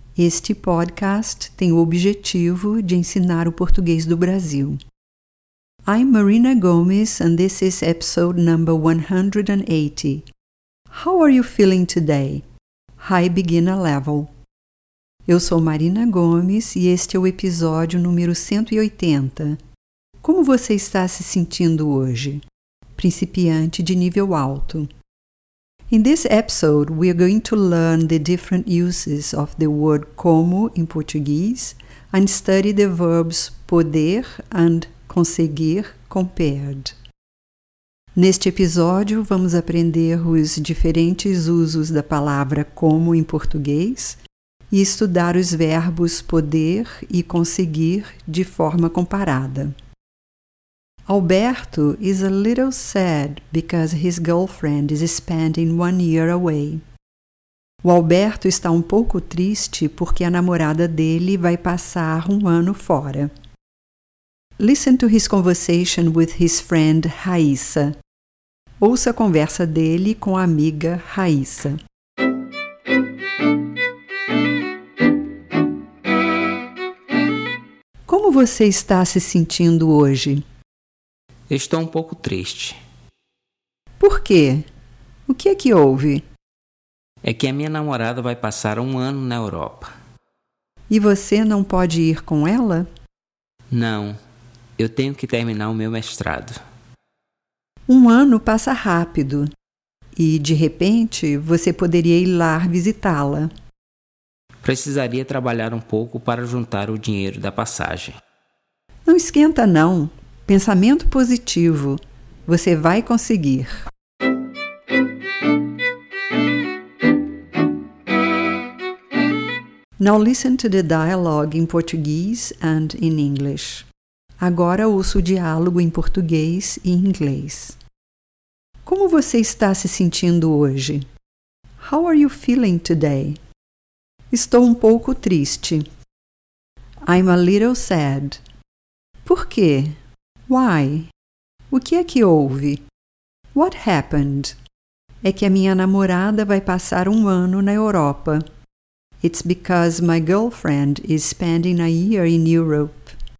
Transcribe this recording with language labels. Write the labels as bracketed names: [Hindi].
[Portuguese] Este podcast tem o objetivo de ensinar o português do Brasil. [English] I'm Marina Gomes and this is episode number 180. How are you feeling today? High beginner level. [Portuguese] Eu sou Marina Gomes e este é o episódio número 180. Como você está se sentindo hoje? Principiante de nível alto. [English] In this episode, we are going to learn the different uses of the word como in Portuguese and study the verbs poder and conseguir compared. [Portuguese] Neste episódio, vamos aprender os diferentes usos da palavra como em português e estudar os verbos poder e conseguir de forma comparada. [English] Alberto is a little sad because his girlfriend is spending 1 year away. [Portuguese] O Alberto está um pouco triste porque a namorada dele vai passar 1 ano fora. [English] Listen to his conversation with his friend Raíssa. [Portuguese] Ouça a conversa dele com a amiga Raíssa. Como você está se sentindo hoje? Estou um pouco triste. Por quê? O que é que houve? É que a minha namorada vai passar 1 ano na Europa. E você não pode ir com ela? Não. Eu tenho que terminar o meu mestrado. 1 ano passa rápido. E, de repente, você poderia ir lá visitá-la. Precisaria trabalhar um pouco para juntar o dinheiro da passagem. Não esquenta, não. Pensamento positivo. Você vai conseguir. [English] Now listen to the dialogue in Portuguese and in English. [Portuguese] Agora ouça o diálogo em português e inglês. Como você está se sentindo hoje? [English] How are you feeling today? [Portuguese] Estou um pouco triste. [English] I'm a little sad. [Portuguese] Por quê? [English] Why? [Portuguese] O que é que houve? [English] What happened? [Portuguese] É que a minha namorada vai passar 1 ano na Europa. [English] It's because my girlfriend is spending 1 year in Europe.